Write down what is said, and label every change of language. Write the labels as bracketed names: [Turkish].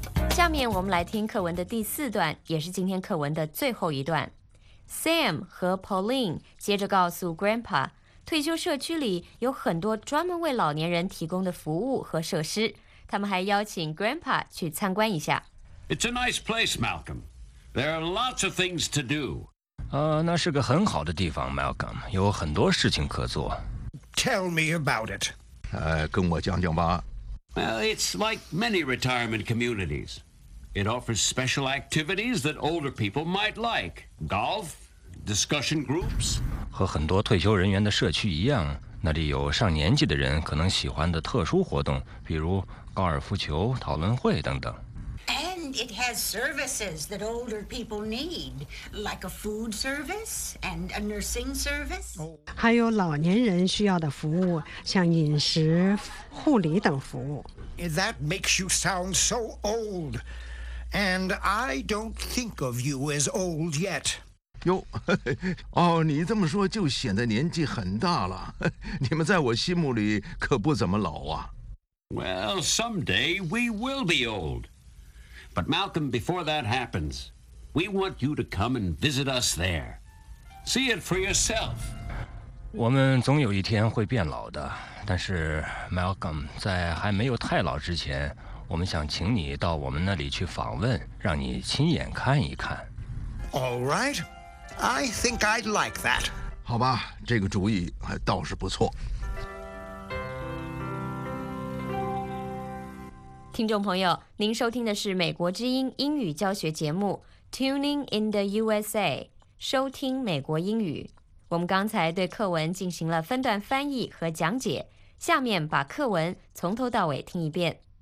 [Chinese] 下面我们来听课文的第四段，也是今天课文的最后一段。 Sam 和 Pauline 接着告诉 Grandpa， 退休社区里有很多专门为老年人提供的服务和设施，他们还邀请 Grandpa 去参观一下。 [English] It's a nice place, Malcolm. There are lots of things to do. [Chinese] 那是个很好的地方 ，Malcolm， 有很多事情可做。 [English] Tell me about it. [Chinese] 跟我讲讲吧。 [English] Well, it's like many retirement communities. It offers special activities that older people might like. Golf, discussion groups. [Chinese] 和很多退休人员的社区一样，那里有上年纪的人可能喜欢的特殊活动，比如高尔夫球、讨论会等等。 [English] And it has services that older people need, like a food service and a nursing service. [Chinese] 还有老年人需要的服务，像饮食、护理等服务。 [English] That makes you sound so old. And I don't think of you as old yet. [Chinese] 哟，哦，你这么说就显得年纪很大了。你们在我心目里可不怎么老啊。 [English] Well, someday we will be old. But Malcolm, before that happens, we want you to come and visit us there. See it for yourself. [Chinese] 我们总有一天会变老的，但是 Malcolm, 在还没有太老之前，我们想请你到我们那里去访问，让你亲眼看一看。 [English] All right, I think I'd like that. [Chinese] 好吧，这个主意还倒是不错。听众朋友，您收听的是美国之音英语教学节目 Tuning in the USA。收听美国英语。我们刚才对课文进行了分段翻译和讲解，下面把课文从头到尾听一遍。